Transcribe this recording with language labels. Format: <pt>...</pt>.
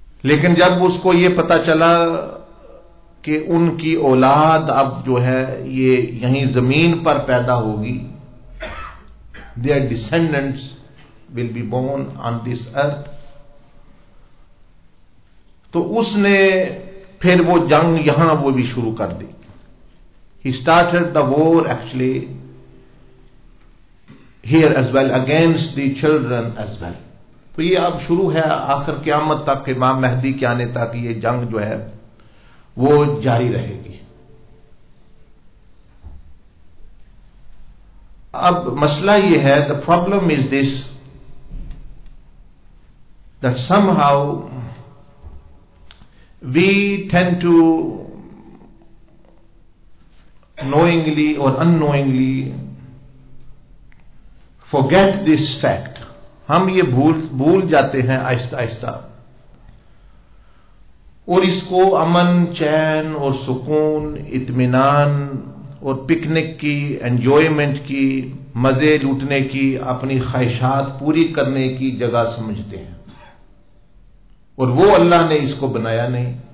<ur>لیکن جب اس کو یہ پتا چلا کہ ان کی اولاد اب جو ہے یہ یہیں زمین پر پیدا ہوگی,</ur> <en>their descendants will be born on this earth,</en> <ur>تو اس نے پھر وہ جنگ یہاں وہ بھی شروع کر دی.</ur> <en>He started the war actually here as well against the children as well.</en> <ur>تو یہ اب شروع ہے آخر قیامت تک, امام مہدی کے آنے تک یہ جنگ جو ہے وہ جاری رہے گی. اب مسئلہ یہ ہے,</ur> <en>the problem is this, that somehow we tend to knowingly or unknowingly forget this fact.</en> <ur>ہم یہ بھول جاتے ہیں آہستہ آہستہ, اور اس کو امن چین اور سکون اطمینان اور پکنک کی انجوائمنٹ کی مزے لوٹنے کی اپنی خواہشات پوری کرنے کی جگہ سمجھتے ہیں, اور وہ اللہ نے اس کو بنایا نہیں.</ur>